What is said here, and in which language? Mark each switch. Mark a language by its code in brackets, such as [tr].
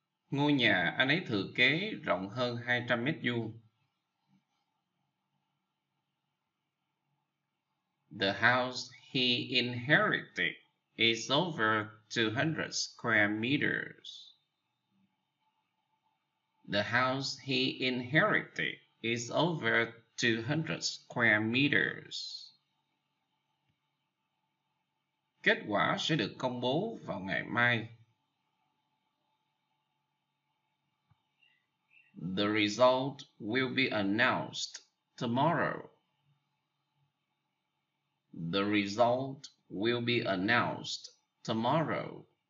[vi] Ngôi nhà anh ấy thừa kế rộng hơn 200 mét vuông. [en] The house he inherited is over 200 square meters. The house he inherited is over 200 square meters. [vi] Kết quả sẽ được công bố vào ngày mai. [en] The result will be announced tomorrow. The result will be announced tomorrow.